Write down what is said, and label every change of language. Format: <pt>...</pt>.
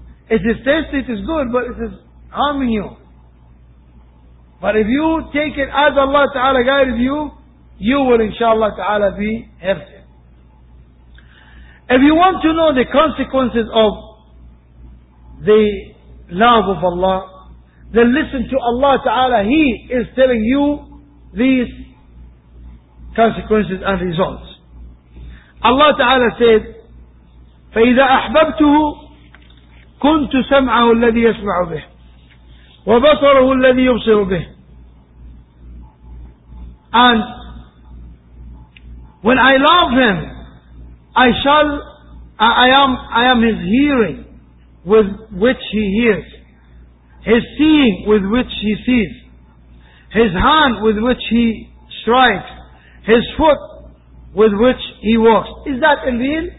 <en>It is tasty, it is good, but it is harming you. But if you take it as Allah Ta'ala guided you, you will inshallah Ta'ala be healthy. If you want to know the consequences of the love of Allah, then listen to Allah Ta'ala. He is telling you these consequences and results. Allah Ta'ala said,</en> <ar>فَإِذَا أَحْبَبْتُهُ كُنْتُ سَمْعَهُ الَّذِي يَسْمَعُ بِهِ وَبَصَرَهُ الَّذِي يُبْصِرُ بِهِ.</ar> <en>And when I love him, I am his hearing with which he hears, his seeing with which he sees, his hand with which he strikes, his foot with which he walks. Is that in real?</en>